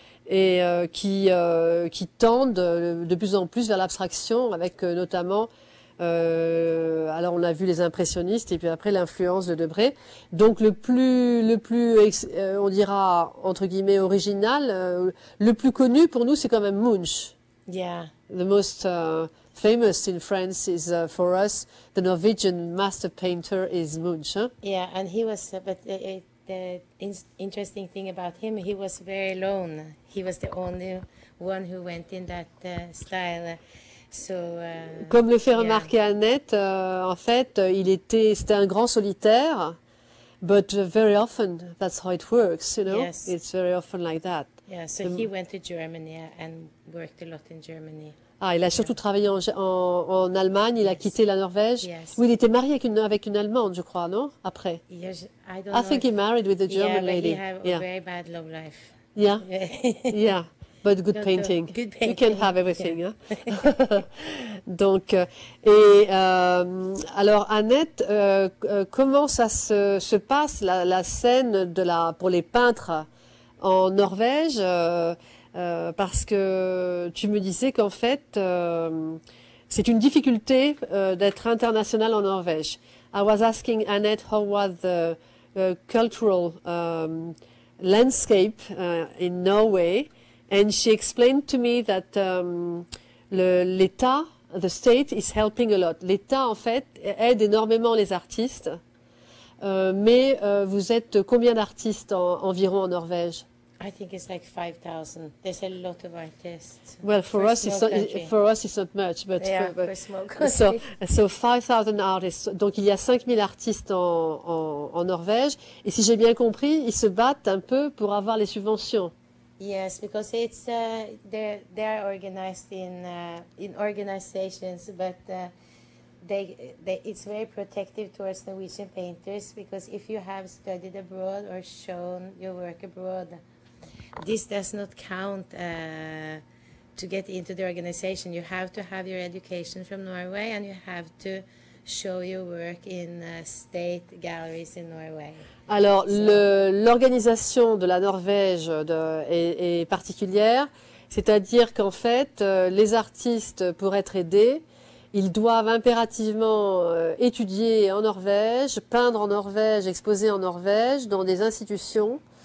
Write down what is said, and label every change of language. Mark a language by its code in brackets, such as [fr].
[fr] Et qui tendent de plus en plus vers l'abstraction, avec notamment, alors on a vu les impressionnistes et puis après l'influence de Debré. Donc on dira entre guillemets original, le plus connu pour nous, c'est quand même Munch. [en] Yeah. The most famous in France is for us the Norwegian master painter is Munch. Huh? Yeah, and he was the interesting thing about him, he was very alone. He was the only one who went in that style. So, [fr] comme le fait remarquer Annette, en fait, c'était un grand solitaire. [en] But very often, that's how it works, you know. Yes. It's very often like that. Yeah. So he went to Germany and worked a lot in Germany. [fr] Ah, il a surtout travaillé en Allemagne, il a quitté la Norvège. [en] Yes. [fr] Oui, il était marié avec une Allemande, je crois, non? Après. [en] I think he married with a German lady. Yeah, but he had a very bad love life. Yeah, yeah, but good painting. Good painting. You can have everything. Yeah. Hein? [fr] Donc, alors Annette, comment ça se passe la scène pour les peintres en Norvège? Parce que tu me disais qu'en fait, c'est une difficulté d'être international en Norvège. [en] I was asking Annette how was the cultural landscape in Norway, and she explained to me that l'État, the state, is helping a lot. [fr] L'État, en fait, aide énormément les artistes. Mais vous êtes combien d'artistes environ en Norvège? [en] I think it's like 5,000. There's a lot of artists. Well, for us it's not much, but yeah, for small countries. So 5,000 artists. [fr] Donc il y a 5,000 artistes en Norvège. Et si j'ai bien compris, ils se battent un peu pour avoir les subventions. [en] Yes, because it's they're organized in organizations, but they it's very protective towards Norwegian painters because if you have studied abroad or shown your work abroad, this does not count to get into the organization. You have to have your education from Norway and you have to show your work in state galleries in Norway. [fr] Alors, l'organisation de la Norvège est particulière, c'est-à-dire qu'en fait, les artistes, pour être aidés, ils doivent impérativement étudier en Norvège, peindre en Norvège, exposer en Norvège, dans des institutions.